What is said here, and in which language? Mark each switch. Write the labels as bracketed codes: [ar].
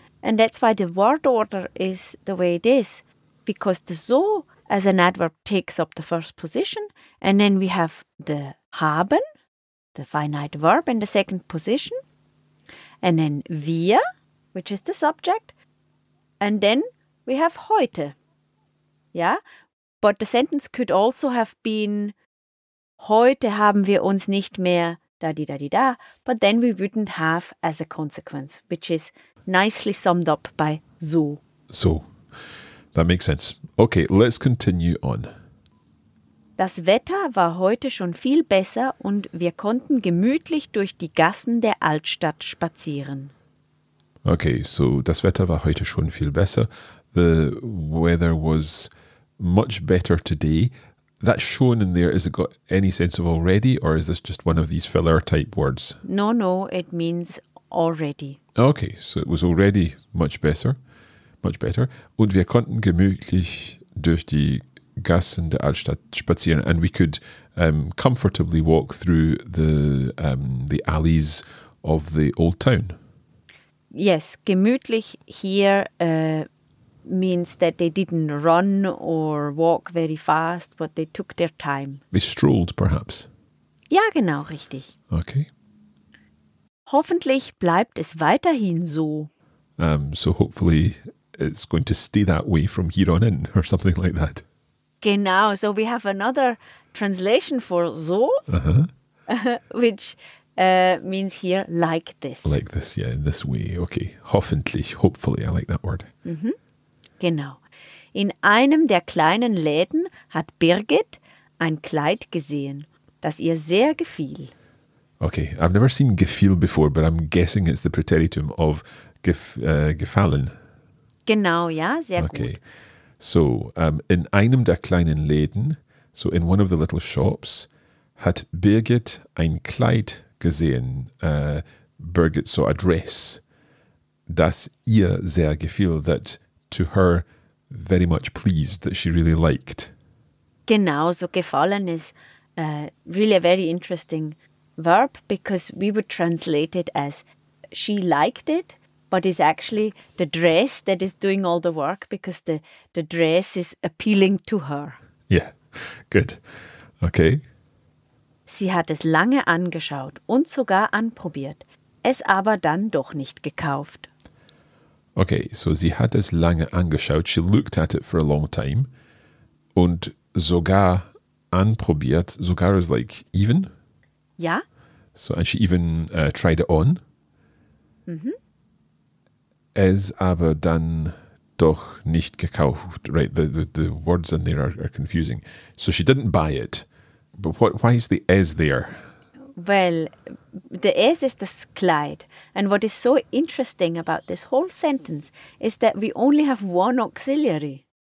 [en] And that's why the word order is the way it is, because the so as an adverb takes up the first position, and then we have the haben, the finite verb, in the second position, and then wir, which is the subject, and then we have heute, yeah? But the sentence could also have been, [de] heute haben wir uns nicht mehr [en] da-di-da-di-da, but then we wouldn't have as a consequence, which is nicely summed up by so. So, that makes sense. Okay, let's continue on. [de] Das Wetter war heute schon viel besser und wir konnten gemütlich durch die Gassen der Altstadt spazieren. Okay, so das Wetter war heute schon viel besser. [en] The weather was much better today. That schon in there, has it got any sense of already, or is this just one of these filler type words? No, no, it means already. Okay, so it was already much better. Much better. [de] Und wir konnten gemütlich durch die Gassen der Altstadt spazieren. [en] And we could comfortably walk through the alleys of the old town. Yes, gemütlich here means that they didn't run or walk very fast, but they took their time. They strolled, perhaps. [de] Ja, genau, richtig. [en] Okay. [de] Hoffentlich bleibt es weiterhin so. [en] So hopefully it's going to stay that way from here on in, or something like that. [de] Genau, [en] so we have another translation for so, which means here like this. Like this, yeah, in this way. Okay, hoffentlich, hopefully, I like that word. [de] Mm-hmm. Genau. In einem der kleinen Läden hat Birgit ein Kleid gesehen, das ihr sehr gefiel. [en] Okay, I've never seen gefiel before, but I'm guessing it's the preteritum of gefallen. [de] Genau, ja, sehr okay. Gut. So, in einem der kleinen Läden, [en] so in one of the little shops, [de] hat Birgit ein Kleid gesehen. [en] Birgit saw a dress, [de] das ihr sehr gefiel, [en] that to her very much pleased, that she really liked. [de] Genau, [en] so gefallen is really a very interesting verb, because we would translate it as she liked it, but it's actually the dress that is doing all the work, because the dress is appealing to her. Yeah, good. Okay. [de] Sie hat es lange angeschaut und sogar anprobiert, es aber dann doch nicht gekauft. Okay, so sie hat es lange angeschaut. [en] She looked at it for a long time. [de] Und sogar anprobiert. [en] Sogar is like even. [de] Ja. [en] So, and she even tried it on. Mm-hmm. [de] Es aber dann doch nicht gekauft. [en] Right, the words in there are confusing. So she didn't buy it. But why is the es there? Well, the es is das Kleid. And what is so interesting about this whole sentence is that we only have one auxiliary.